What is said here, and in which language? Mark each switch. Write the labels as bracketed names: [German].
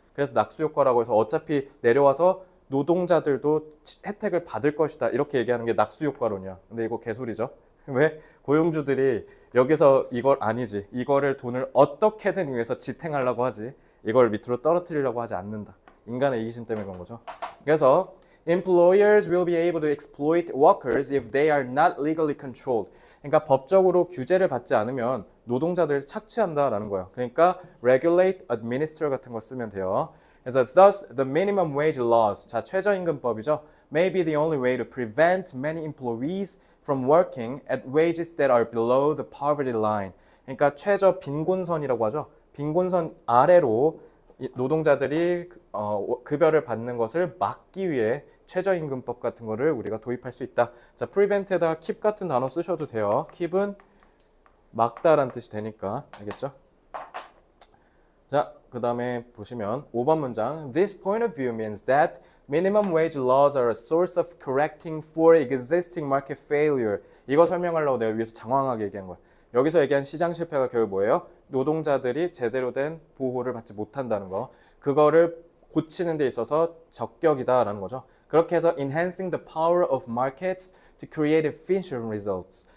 [Korean] 그래서 낙수효과라고 해서 어차피 내려와서 노동자들도 혜택을 받을 것이다. 이렇게 얘기하는 게 낙수효과론이야. 근데 이거 개소리죠? 왜? 고용주들이 여기서 이걸 아니지. 이거를 돈을 어떻게든 위해서 지탱하려고 하지. 이걸 밑으로 떨어뜨리려고 하지 않는다. 인간의 이기심 때문에 그런 거죠. [English] 그래서 employers will be able to exploit workers if they are not legally controlled. [Korean] 그러니까 법적으로 규제를 받지 않으면 노동자들을 착취한다라는 거예요. 그러니까 regulate, administer 같은 거 쓰면 돼요. [English] 그래서 thus the minimum wage laws, [Korean] 자 최저임금법이죠, [English] may be the only way to prevent many employees from working at wages that are below the poverty line. [Korean] 그러니까 최저 빈곤선이라고 하죠. 빈곤선 아래로 노동자들이 급여를 받는 것을 막기 위해 최저임금법 같은 거를 우리가 도입할 수 있다. 자, prevent에다가 keep 같은 단어 쓰셔도 돼요. keep은 막다란 뜻이 되니까. 알겠죠? 자, 그 다음에 보시면 5번 문장. [English] This point of view means that minimum wage laws are a source of correcting for existing market failure. [Korean] 이거 설명하려고 내가 위에서 장황하게 얘기한 거야. 여기서 얘기한 시장 실패가 결국 뭐예요? 노동자들이 제대로 된 보호를 받지 못한다는 거. 그거를 고치는 데 있어서 적격이다라는 거죠. 그렇게 해서 [English] enhancing the power of markets to create efficient results.